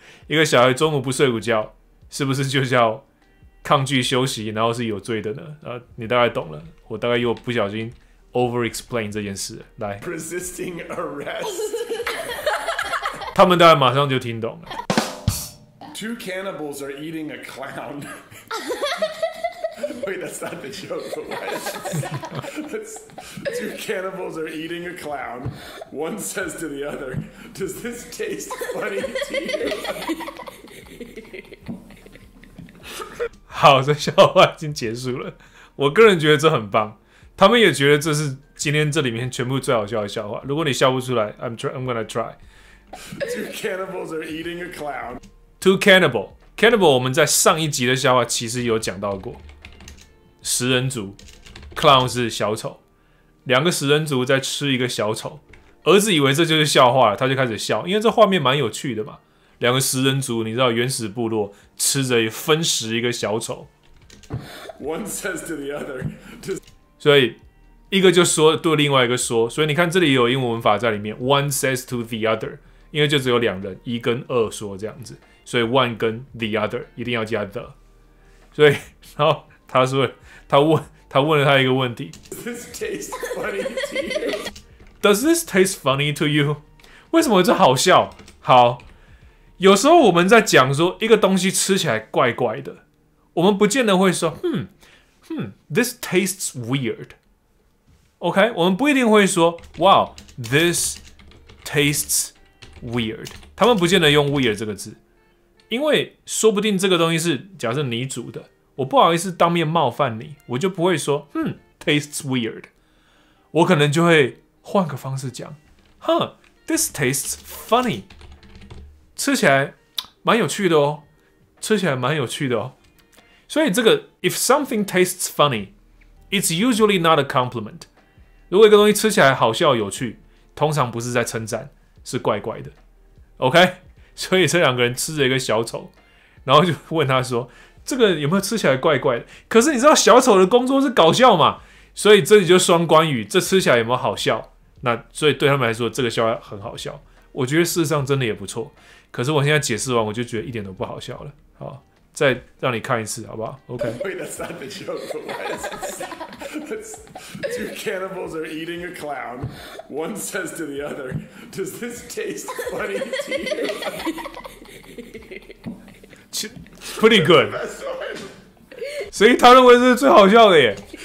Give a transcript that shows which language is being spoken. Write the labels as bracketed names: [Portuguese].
[Chinese] 一个小孩中午不睡午觉是不是就叫抗拒休息，然后是有罪的呢？你大概懂了，我大概又不小心 [English] over explain [Chinese] 这件事来 [English] resisting arrest。 [Chinese] 他们大概马上就听懂了。 [English] Two cannibals are eating a clown. Wait, that's not the joke. Two cannibals are eating a clown. One says to the other, "Does this taste funny to you?" [Chinese] 好，这笑话已经结束了。我个人觉得这很棒，他们也觉得这是今天这里面全部最好笑的笑话。如果你笑不出来 ， [English] I'm gonna try。 Two cannibals are eating a clown. Two cannibal， [Chinese] 我们在上一集的笑话其实有讲到过，食人族 ，clown 是小丑，两个食人族在吃一个小丑，儿子以为这就是笑话，他就开始笑，因为这画面蛮有趣的嘛。两个食人族，你知道原始部落吃着分食一个小丑 [English] ，One says to the other， [Chinese] 所以。一个就说对另外一个说，所以你看这里有英文法在里面 ， [English] one says to the other， [Chinese] 因为就只有两人，一跟二说这样子，所以 one 跟 the other 一定要加 the。所以，然后他说，他问了他一个问题 [English] ：Does this taste funny to you? Does this taste funny to you? [Chinese] 为什么这好笑？好，有时候我们在讲说一个东西吃起来怪怪的，我们不见得会说， [English] this tastes weird。 [Chinese] OK， 我们不一定会说 ， [English] Wow， this tastes weird。 [Chinese] 他们不见得用 weird 这个字，因为说不定这个东西是假设你煮的，我不好意思当面冒犯你，我就不会说， [English] tastes weird。 [Chinese] 我可能就会换个方式讲 ， [English] this tastes funny， [Chinese] 吃起来蛮有趣的哦，吃起来蛮有趣的哦。所以这个 [English] if something tastes funny， it's usually not a compliment。 [Chinese] 如果一个东西吃起来好笑有趣，通常不是在称赞，是怪怪的。 OK， 所以这两个人吃着一个小丑，然后就问他说：“这个有没有吃起来怪怪的？” 可是你知道小丑的工作是搞笑嘛？所以这里就双关语，这吃起来有没有好笑？那所以对他们来说，这个笑话很好笑。我觉得事实上真的也不错。可是我现在解释完，我就觉得一点都不好笑了。好，再让你看一次，好不好 ？OK。 [English] Wait, that's not the joke. Two cannibals are eating a clown. One says to the other, "Does this taste funny to you?" Pretty good. [Chinese] 所以他认为是最好笑的耶。